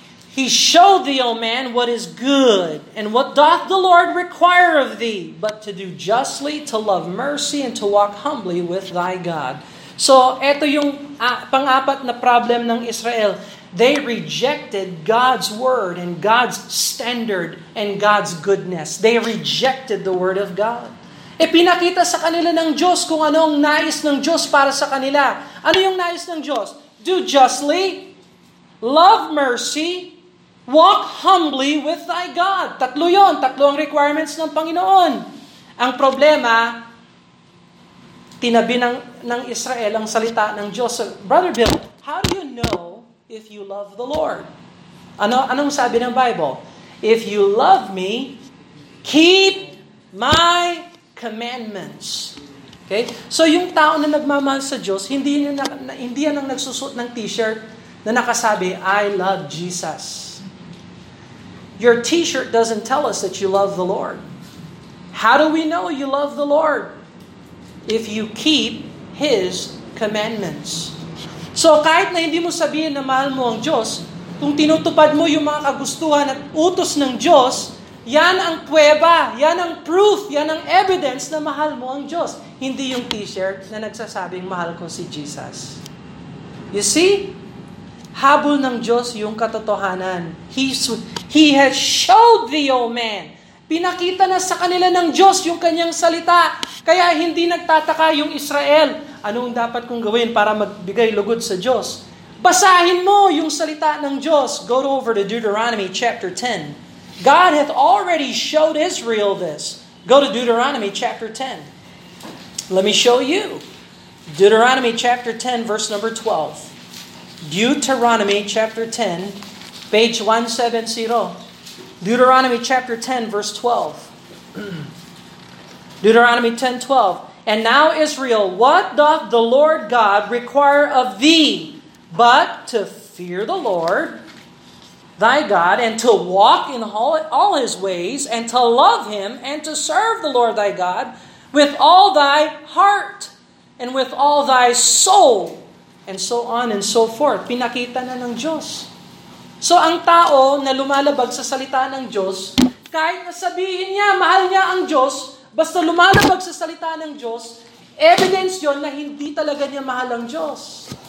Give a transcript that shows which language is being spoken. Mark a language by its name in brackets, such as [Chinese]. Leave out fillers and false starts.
[English] He showed thee, O man, what is good, and what doth the Lord require of thee, but to do justly, to love mercy, and to walk humbly with thy God. [Filipino] So, ito yung pang-apat na problem ng Israel. [English] They rejected God's word and God's standard and God's goodness. They rejected the word of God. [Filipino] E pinakita sa kanila ng Diyos kung ano ang nais ng Diyos para sa kanila. [English] Ano yung nais ng Diyos? Do justly, love mercy, walk humbly with thy God. [Filipino] Tatlo yon, tatlo ang requirements ng Panginoon. Ang problema, tinabi ng Israel ang salita ng Diyos. [English] So, Brother Bill, how do you know if you love the Lord? [Filipino] Anong sabi ng Bible? [English] If you love me, keep my commandments. Okay? [Filipino] So yung tao na nagmamahal sa Diyos, hindi yan ang nagsusot ng t-shirt na nakasabi, I love Jesus. [English] Your t-shirt doesn't tell us that you love the Lord. How do we know you love the Lord? If you keep His commandments. [Filipino] So kahit na hindi mo sabihin na mahal mo ang Diyos, kung tinutupad mo yung mga kagustuhan at utos ng Diyos, yan ang pweba, yan ang proof, yan ang evidence na mahal mo ang Diyos. Hindi yung t-shirt na nagsasabing mahal ko si Jesus. You see? [English] Habol ng Diyos yung katotohanan. He has showed thee, O man. [Filipino] Pinakita na sa kanila ng Diyos yung kanyang salita. Kaya hindi nagtataka yung Israel. Anong dapat kong gawin para magbigay lugod sa Diyos? Basahin mo yung salita ng Diyos. Go over to Deuteronomy chapter 10. God hath already showed Israel this. Go to Deuteronomy chapter 10. Let me show you. Deuteronomy chapter 10, verse number 12. Deuteronomy chapter 10, page 170. Deuteronomy chapter 10, verse 12. Deuteronomy 10, 12. And now, Israel, what doth the Lord God require of thee but to fear the Lord thy God and to walk in all his ways and to love him and to serve the Lord thy God with all thy heart and with all thy soul. [English] And so on and so forth. Pinakita na ng Diyos. [Filipino] So ang tao na lumalabag sa salita ng Diyos, kahit na sabihin niya, mahal niya ang Diyos, basta lumalabag sa salita ng Diyos, evidence yon na hindi talaga niya mahal ang Diyos.